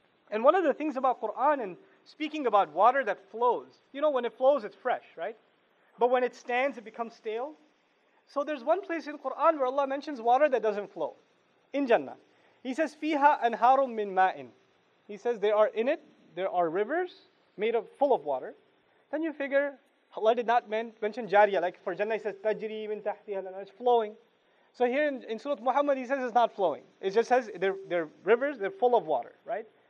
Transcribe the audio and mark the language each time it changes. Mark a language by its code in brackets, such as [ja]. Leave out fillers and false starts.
[en] And one of the things about Quran and speaking about water that flows. You know, when it flows, it's fresh, right? But when it stands, it becomes stale. So there's one place in Quran where Allah mentions water that doesn't flow. In Jannah. [ar] He says, فيها أنهار من ماء. [en] He says, there are in it, there are rivers made of full of water. Then you figure, Allah did not mention جارية. Like for Jannah, he says, [ar] تجري من تحتها. [en] It's flowing. So here in Surah Muhammad, he says it's not flowing. It just says they're rivers, they're full of water, right?